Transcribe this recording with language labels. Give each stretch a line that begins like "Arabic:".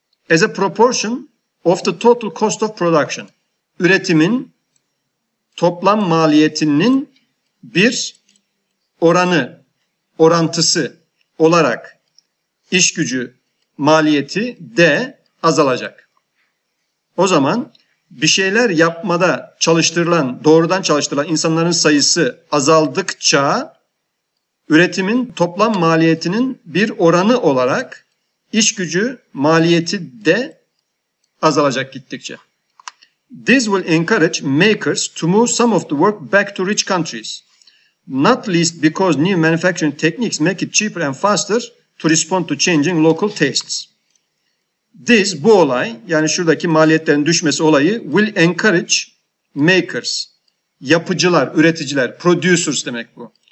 English: As a proportion of the total cost of production.
Turkish: Üretimin toplam maliyetinin bir oranı, orantısı olarak iş gücü maliyeti de azalacak. O zaman bir şeyler yapmada çalıştırılan, doğrudan çalıştırılan insanların sayısı azaldıkça üretimin toplam maliyetinin bir oranı olarak iş gücü maliyeti de azalacak gittikçe.
English: This will encourage makers to move some of the work back to rich countries. Not least because new manufacturing techniques make it cheaper and faster to respond to changing local tastes.
Turkish: This, bu olay, yani şuradaki maliyetlerin düşmesi olayı,
English: will encourage makers,
Turkish: yapıcılar, üreticiler, producers demek bu.